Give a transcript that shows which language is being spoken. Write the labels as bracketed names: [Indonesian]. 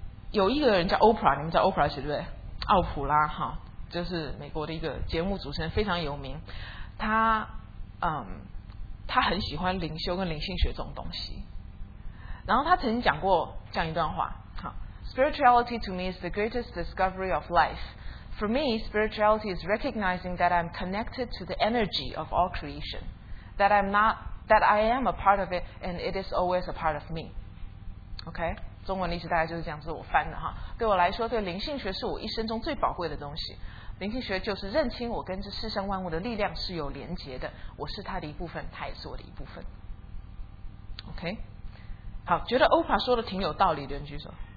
[Chinese] 有一个人叫 Oprah， 你们知道 Oprah 是对不对？奥普拉哈，就是美国的一个节目主持人，非常有名。他很喜欢灵修跟灵性学这种东西。然后他曾经讲过这样一段话， [English] Spirituality to me is the greatest discovery of life. For me, spirituality is recognizing that I'm connected to the energy of all creation, that I'm not, that I am a part of it, and it is always a part of me. [Chinese] OK， 中文例子大概就是这样子，我翻的哈。对我来说，对灵性学是我一生中最宝贵的东西。灵性学就是认清我跟这世上万物的力量是有连结的，我是它的一部分，它也是我的一部分。 OK， 好，觉得 Oprah 说的挺有道理的人举手。